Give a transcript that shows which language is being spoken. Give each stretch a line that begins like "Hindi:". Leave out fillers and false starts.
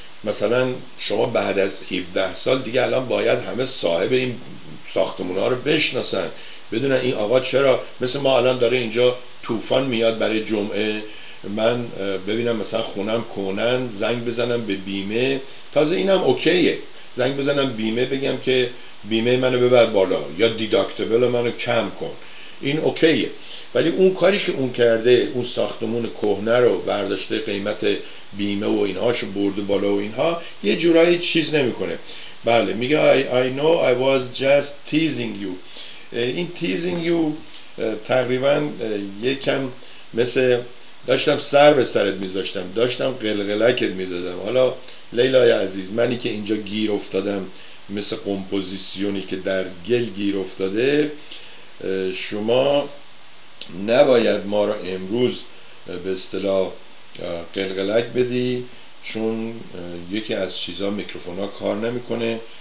Persian: مثلا شما بعد از 17 سال دیگه الان باید همه صاحب این ساختمونا رو بشناسن، بدونن این آقا چرا، مثل ما الان داره اینجا طوفان میاد برای جمعه، من ببینم مثلا خونم کنن، زنگ بزنم به بیمه، تازه اینم اوکیه، زنگ بزنم بیمه بگم که بیمه منو ببر بالا یا دیداکتبل منو کم کن، این اوکیه. ولی اون کاری که اون کرده، اون ساختمون کهنه رو برداشته، قیمت بیمه و اینهاشو برده بالا و اینها، یه جورایی چیز نمیکنه. بله میگه
English: I know I was just teasing you.
Persian: این
English: teasing you
Persian: تقریبا یکم مثل داشتم سر به سرت میذاشتم، داشتم قلقلکت میدادم. حالا لیلای عزیز، منی که اینجا گیر افتادم مثل کمپوزیسیونی که در گل گیر افتاده، شما نباید ما را امروز به اصطلاح قلقلک بدی، چون یکی از چیزا میکروفونا کار نمیکنه.